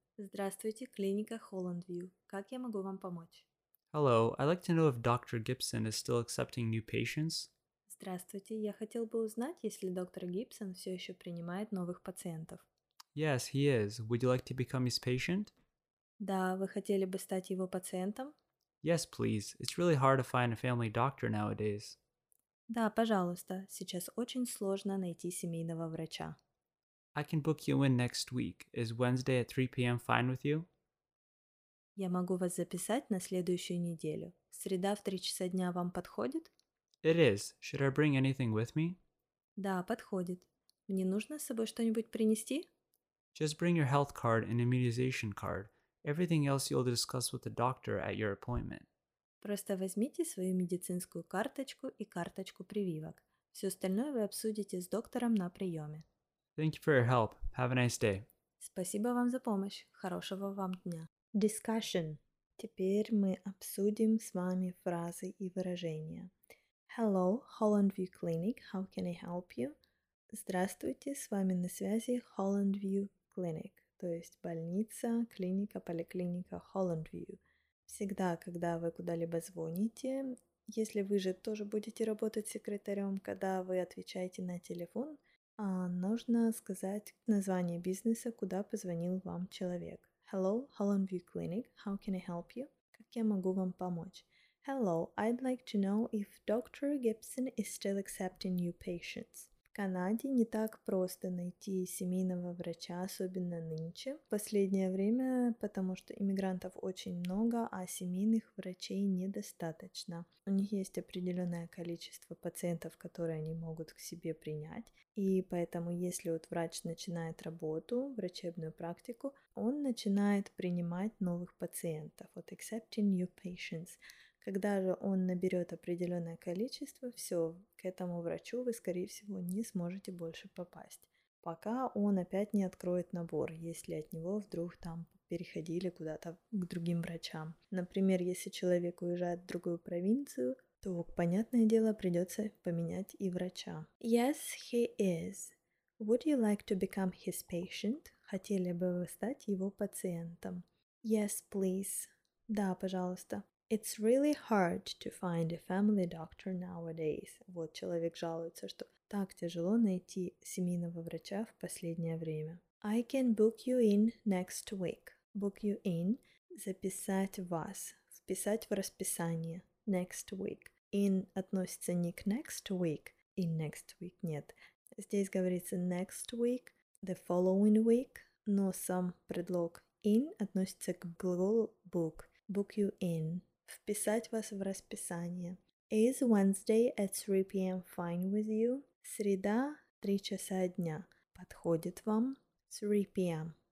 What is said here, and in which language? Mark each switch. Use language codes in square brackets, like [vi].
[ru] Здравствуйте, клиника Holland View. Как я могу вам помочь? [en] Hello, I'd like to know if Dr. Gibson is still accepting new patients. [ru] Здравствуйте, я хотел бы узнать, если доктор Гибсон все еще принимает новых пациентов. [en] Yes, he is. Would you like to become his patient? [ru] Да, вы хотели бы стать его пациентом? [en] Yes, please. It's really hard to find a family doctor nowadays. [ru] Да, пожалуйста. Сейчас очень сложно найти семейного врача. [en] I can book you in next week. Is Wednesday at 3 p.m. fine with you? [ru] Я могу вас записать на следующую неделю. Среда в 3 часа дня вам подходит? [en] It is. Should I bring anything with me? [ru] Да, подходит. Мне нужно с собой что-нибудь принести? [en] Just bring your health card and immunization card. Everything else you'll discuss with the doctor at your appointment. [ru] Просто возьмите свою медицинскую карточку и карточку прививок. Все остальное вы обсудите с доктором на приеме. [en] Thank you for your help. Have a nice day. [ru] Спасибо вам за помощь. Хорошего вам дня. [en] Discussion. [ru] Теперь мы обсудим с вами фразы и выражения. [en] Hello, Holland View Clinic. How can I help you? [ru] Здравствуйте, с вами на связи Holland View Clinic, то есть больница, клиника, поликлиника Holland View. Всегда, когда вы куда-либо звоните, если вы же тоже будете работать секретарем, когда вы отвечаете на телефон, нужно сказать название бизнеса, куда позвонил вам человек. [en] Hello, Holland View Clinic. How can I help you? [ru] Как я могу вам помочь? [en] Hello, I'd like to know if Dr. Gibson is still accepting new patients. [ru] В Канаде не так просто найти семейного врача, особенно нынче, в последнее время, потому что иммигрантов очень много, а семейных врачей недостаточно. У них есть определенное количество пациентов, которые они могут к себе принять, и поэтому если вот врач начинает работу, врачебную практику, он начинает принимать новых пациентов, вот [en] accepting new patients. [ru] Когда же он наберет определенное количество, все, к этому врачу вы, скорее всего, не сможете больше попасть. Пока он опять не откроет набор, если от него вдруг там переходили куда-то к другим врачам. Например, если человек уезжает в другую провинцию, то, понятное дело, придется поменять и врача. [en] Yes, he is. Would you like to become his patient? [ru] Хотели бы вы стать его пациентом? [en] Yes, please. [ru] Да, пожалуйста. [en] It's really hard to find a family doctor nowadays. [ru] Вот человек жалуется, что так тяжело найти семейного врача в последнее время. [en] I can book you in next week. Book you in [ru] – записать вас, вписать в расписание. [en] Next week. [ru] In относится не к next week, [en] in next week [ru] – нет. Здесь говорится [en] next week, the following week, [ru] но сам предлог in относится к глаголу book. [en] Book you in. [ru] Вписать вас в расписание. [en] Is Wednesday at 3 p.m. fine with you? [ru] Среда, 3 часа дня. Подходит вам? 3 p.m.